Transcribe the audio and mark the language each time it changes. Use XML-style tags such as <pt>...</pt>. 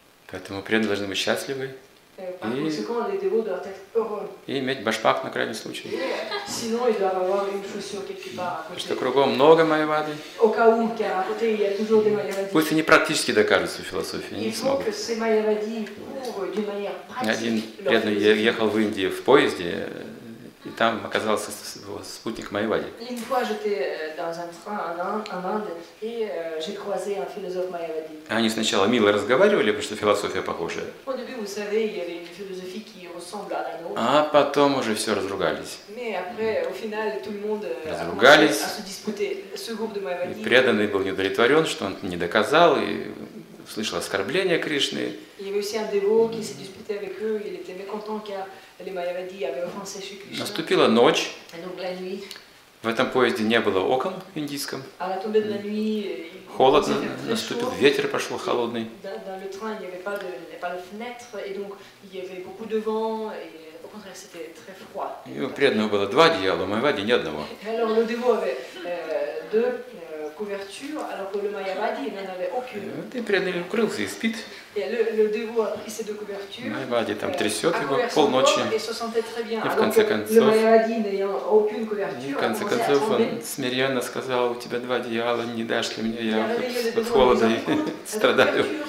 <ru>Поэтому преданные должны быть счастливы.</ru> <fr>Par conséquent, les dévots doivent être heureux.</fr> <ru>И иметь башмак на крайний случай.</ru> <fr>Sinon, ils doivent avoir une chaussure quelque part.</fr> <ru>Потому что кругом много Майявады.</ru> <fr>Au cas où, car à côté, il y a toujours des Mayavadis.</fr> <ru>Пусть они практически докажут свою философию.</ru> <fr>Il faut que ces Mayavadis prouvent d'une manière pratique.</fr> <ru>Один преданный ехал в Индию в поезде. И там оказался его спутник Майявади.</ru> <fr>Une fois j'étais dans un train en Inde et j'ai croisé un philosophe Mayavadi.</fr> <ru>Они сначала мило разговаривали, потому что философия похожая.</ru> <fr>Au début, vous savez, il y avait une philosophie qui ressemble à la nôtre.</fr> <ru>А потом уже все разругались.</ru> <fr>Mais après, au final, tout le monde</fr> <ru>разругались.</ru> <fr>À se disputer ce groupe de Mayavadi.</fr> <ru>И преданный был неудовлетворен, что он не доказал и услышал оскорбление Кришны.</ru> <fr>Il y avait aussi un dévot qui s'est disputé avec eux, il était mécontent car les Mayavadis avaient offensé Shri Krishna.</fr> <ru>Наступила ночь.</ru> <fr>Et donc, la nuit.</fr> <ru>В этом поезде не было окон в индийском.</ru> <fr>À la tombée de la nuit,</fr> <ru>холодно наступил, ветер пошел холодный.</ru> <fr>Dans le train, il n'y avait pas de fenêtre et donc il y avait beaucoup de vent et au contraire, c'était très froid.</fr> <ru>И у преданного было два одеяла, у Майявади ни одного.</ru> <fr>Alors le dévot avait deux couvertures alors que le Mayavadi n'en avait aucune.</fr> <ru>Ты преданный укрылся и спит. Майявади там трясет его полночи. И в конце концов, он смиренно сказал, у тебя два одеяла, не дашь ли мне, я от холода страдаю.</ru>